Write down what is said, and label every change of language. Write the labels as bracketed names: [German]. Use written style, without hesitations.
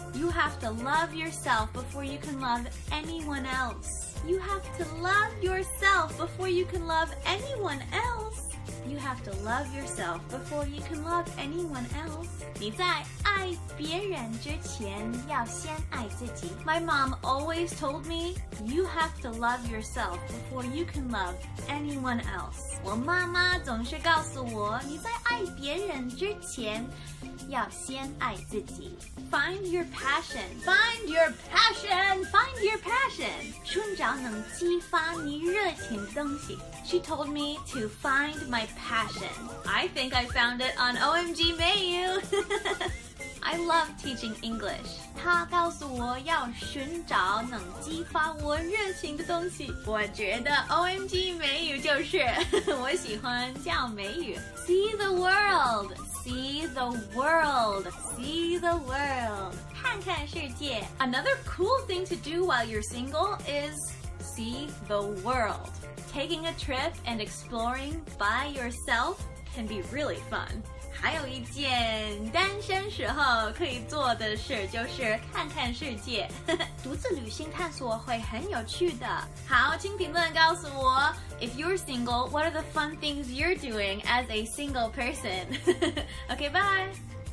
[English] You have to love yourself before you can love anyone else. You have to love yourself before you can love anyone else. You have to love yourself before you can love anyone else. [Chinese] 你在爱别人之前要先爱自己。 [English] My mom always told me, you have to love yourself before you can love anyone else. [Chinese] 我妈妈总是告诉我，你在爱别人之前要先爱自己。 [English] Find your passion. Find your passion. Find your passion. [Chinese] 寻找能激发你热情的东西。 [English] She told me to find my passion. I think I found it on OMG Mayu. I love teaching English. [Chinese] 她告诉我要寻找能激发我热情的东西。我觉得 OMG Mayu 就是我喜欢叫美语。 [English] See the world. See the world, see the world. [Chinese] 看看世界。 [English] Another cool thing to do while you're single is see the world. Taking a trip and exploring by yourself can be really fun. [Chinese] 还有一件单身时候可以做的事就是看看世界。独自旅行探索会很有趣的。好，请评论告诉我。 [English] If you're single, what are the fun things you're doing as a single person? Okay, bye!